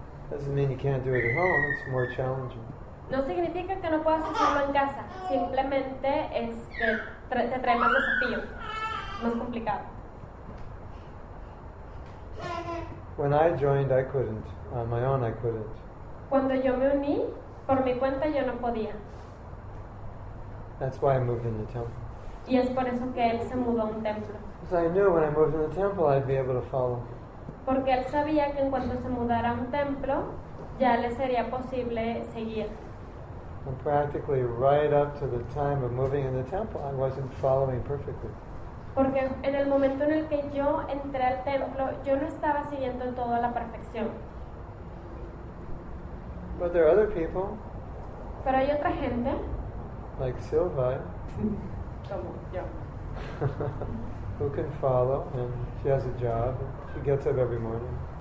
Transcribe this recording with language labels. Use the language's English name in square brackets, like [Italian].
[English] Doesn't mean you can't do it at home, it's more challenging. [Spanish] No significa que no puedas hacerlo en casa, simplemente te trae más desafío, más complicado. [English] When I joined, I couldn't. On my own, I couldn't. [Spanish] Cuando yo me uní, por mi cuenta yo no podía. [English] That's why I moved in the temple. [Spanish] Y es por eso que él se mudó a un templo. [English] Because I knew when I moved in the temple, I'd be able to follow. [Spanish] Porque él sabía que en cuanto se mudara a un templo, ya le sería posible seguir. [English] And practically right up to the time of moving in the temple, I wasn't following perfectly. [Spanish] Porque en el momento en el que yo entré al templo, yo no estaba siguiendo todo a la perfección. [English] But there are other people. [Spanish] Pero hay otra gente. [English] Like Silva. [Spanish] Como yo. [English] Who can follow, and she has a job. She gets up every morning.